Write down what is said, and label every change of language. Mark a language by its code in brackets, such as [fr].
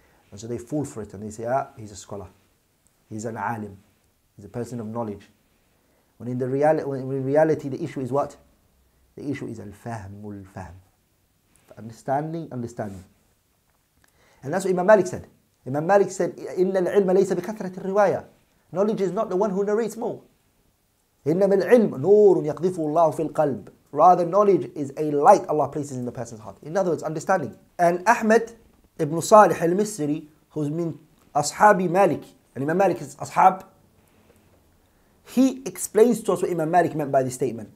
[en] And so they fall for it, and they say, he's a scholar. He's an alim. He's a person of knowledge. When in the reality, the issue is what? The issue is al-fahm. Understanding. And that's what Imam Malik said. Imam Malik said, [ar] إِنَّ الْعِلْمَ لَيْسَ بِكَثْرَةِ الرِّوَايَةِ. [en] Knowledge is not the one who narrates more. [ar] إِنَّمَا الْعِلْمُ نُورٌ يَقْذِفُهُ اللَّهُ فِي الْقَلْبِ. [en] Rather, knowledge is a light Allah places in the person's heart. In other words, understanding. And Ahmed ibn Salih al-Misri, who's min Ashabi Malik, and Imam Malik is Ashab, he explains to us what Imam Malik meant by this statement.